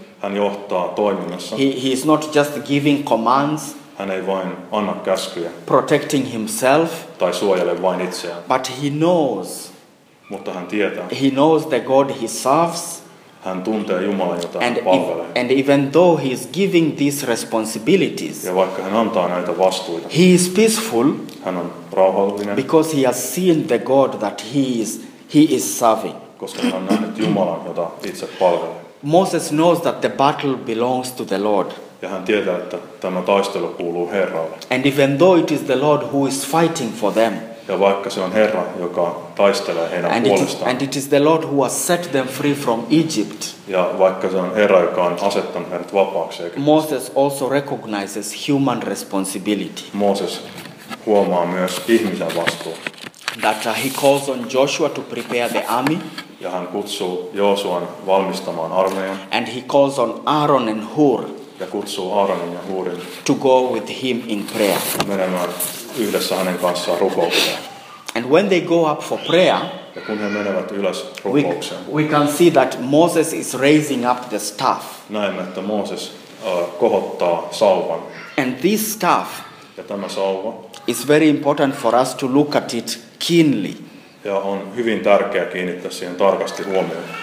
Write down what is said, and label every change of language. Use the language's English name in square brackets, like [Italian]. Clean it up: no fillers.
[Finnish] Hän johtaa toiminnassa. [English] He is not just giving commands. [Finnish] Hän ei vain anna käskyjä. [English] Protecting himself. [Finnish] Tai suojele vain itseään. [English] But he knows. [Finnish] Mutta hän tietää. [English] He knows the God he serves. [Finnish] Hän tuntee Jumalan, jota hän palvelee. [English] And even though he is giving these responsibilities. [Finnish] Ja vaikka hän antaa näitä vastuita. [English] He is peaceful. [Finnish] Hän on rauhallinen. [English] Because he has seen the God that he is serving. [Finnish] Koska hän on nähnyt Jumalan, jota itse palvelee. [English] Moses knows that the battle belongs to the Lord. [Finnish] Ja hän tietää, että tämä taistelu kuuluu Herralle. [English] And even though it is the Lord who is fighting for them. [Finnish] Ja vaikka se on Herra, joka taistelee heidän [English] and [Finnish] puolestaan. [English] And it is the Lord who has set them free from Egypt. [Finnish] Ja vaikka se on Herra, joka on asettanut heidät vapaaksi. [English] Moses also recognizes human responsibility. [Finnish] Moses huomaa myös ihmisen vastuun. [English] That he calls on Joshua to prepare the army. [Finnish] Ja hän kutsuu Joosuan valmistamaan armeijan. [English] And he calls on Aaron and Hur. [Finnish] Ja kutsuu Aaronin ja Hurin. [English] To go with him in prayer. [Finnish] Menemään yhdessä hänen kanssaan rukoukseen. [English] And when they go up for prayer. [Finnish] Ja kun he menevät ylös rukoukseen. [English] We can see that Moses is raising up the staff. [Finnish] Näemme, että Moses kohottaa sauvan. [English] And this staff. [Finnish] Ja tämä sauva. [English] It's very important for us to look at it keenly. [Finnish] Ja on hyvin tärkeää kiinnittää siihen tarkasti huomioon.